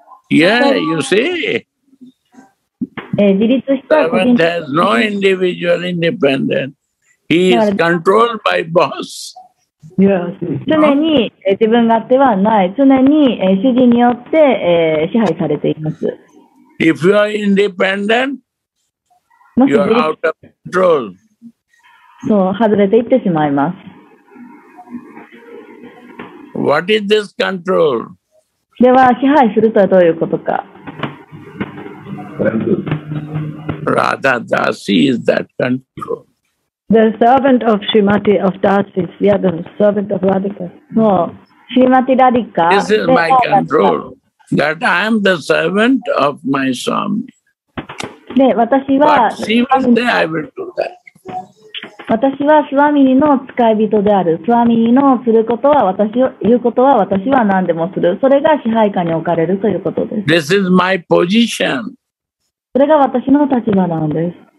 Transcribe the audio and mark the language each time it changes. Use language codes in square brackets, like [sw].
[en] Yeah, you see. Servant has no individual independence. He is controlled by boss. Yes. [ja] 常に自分勝手はない。常に主人によって支配されています。 [en] If you are independent, you are out of control. [ja] そう、外れていってしまいます。 [en] What is this control? [ja] では支配するとはどういうことか。 [en] Radha Dasi is that control. The servant of Srimati of Dasi, yeah, the servant of Radhika. No, Srimati Radhika. This is my control. That I am the servant of my Swami. [ja] で、私は。 [en] But she will say I will do that. [ja] 私はスワミニの使い人である。スワミニのすることは私を言うことは私は何でもする。それが支配下に置かれるということです。 [en] This is my position. [ja] それが私の立場なんです。